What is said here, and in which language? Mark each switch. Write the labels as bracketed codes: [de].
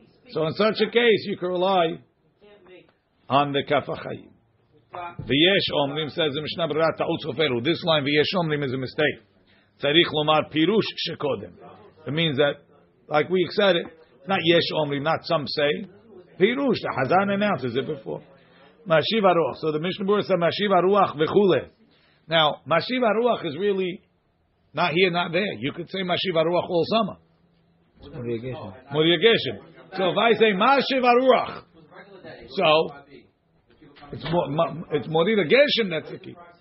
[en] So in such a case, you can rely on the כף החיים. [he] ויש אומרים, [en] says the [he] משנה ברורה, טעות סופר, [en] this line, [he] ויש אומרים, [en] is a mistake. [he] צריך לומר פירוש שקודם. [en] It means that, like we said, not יש אומרים, not some say, פירוש, the Chazan announces it before. [he] משיב הרוח, so the משנה ברורה says, משיב הרוח וכו'. [en] Now, Mashiv HaRuach is really not here, not there. You could say Mashiv HaRuach all summer. Muryageshim. So if I say Mashiv HaRuach, so it's Muryageshim that's the key.